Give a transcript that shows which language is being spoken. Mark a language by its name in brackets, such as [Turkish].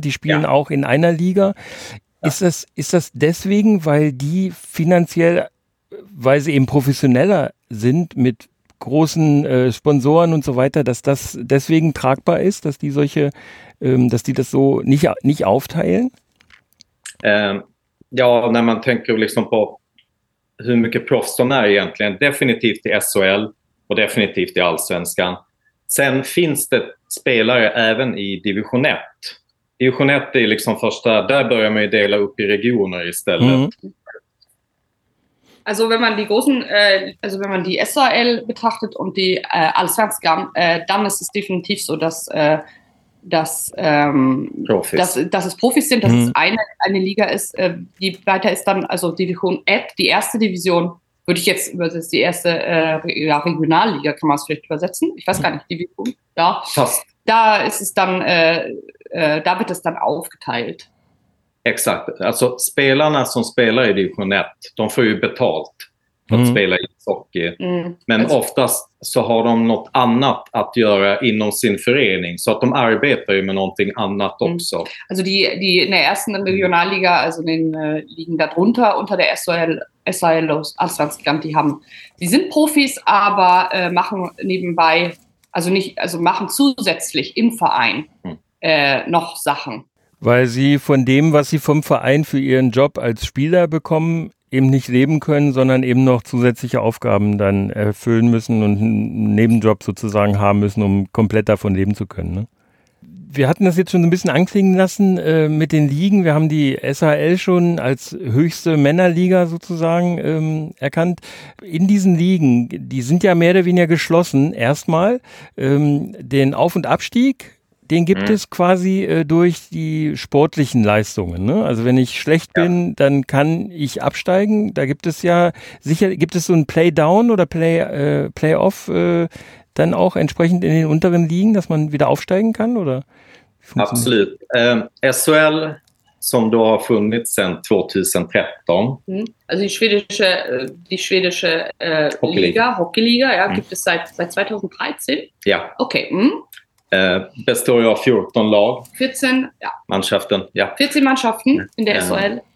[German] Die spielen auch in einer Liga. Ja. Ist das deswegen, weil die finanziell, weil sie eben professioneller sind mit großen Sponsoren und so weiter, dass das deswegen tragbar ist, dass die solche, dass die das so nicht aufteilen? [Swedish] Ja, när man tänker liksom på hur mycket proffs de är egentligen, definitivt i SHL och definitivt i Allsvenskan. Sen finns det spelare även i Division 1. Division 1 är liksom första, där börjar man ju dela upp i regioner istället. Mm. [German] Also wenn man die großen, also wenn man die SHL betrachtet und die Allsvenskan, dann ist es definitiv so, dass es Profis sind, dass es eine Liga ist. Die weiter ist dann, also Division Ed, die erste Division, würde ich jetzt übersetzen, die erste Regionalliga, kann man es vielleicht übersetzen. Ich weiß gar nicht, Division, da. Da ist es dann, da wird es dann aufgeteilt. [Swedish] Exakt, alltså spelarna som spelar i Division 1, de får ju betalt för att spela i ishockey. Mm. Men oftast så har de något annat att göra inom sin förening, så att de arbetar ju med någonting annat också. [German] Alltså die in der ersten Regionalliga, also in den Ligen darunter, unter der SHL, SHL, Allsvenskan, die sind Profis, aber machen nebenbei, also nicht, also machen zusätzlich im Verein noch Sachen. Weil sie von dem, was sie vom Verein für ihren Job als Spieler bekommen, eben nicht leben können, sondern eben noch zusätzliche Aufgaben dann erfüllen müssen und einen Nebenjob sozusagen haben müssen, um komplett davon leben zu können, ne? Wir hatten das jetzt schon ein bisschen anklingen lassen mit den Ligen. Wir haben die SHL schon als höchste Männerliga sozusagen erkannt. In diesen Ligen, die sind ja mehr oder weniger geschlossen, erstmal den Auf- und Abstieg. Den gibt es quasi durch die sportlichen Leistungen, ne? Also wenn ich schlecht bin, dann kann ich absteigen. Da gibt es ja sicher, gibt es so ein Play-Down oder Play-Off dann auch entsprechend in den unteren Ligen, dass man wieder aufsteigen kann, oder? Absolut. [Swedish] SHL, som då har funnits sedan 2013. [German] Also die schwedische Hockey-Liga. Hockeyliga, ja, gibt es seit 2013? Ja. Okay, [Swedish] Består ju av 14 lag. [German] 14, ja. Mannschaften, ja. 14 Mannschaften in der SHL.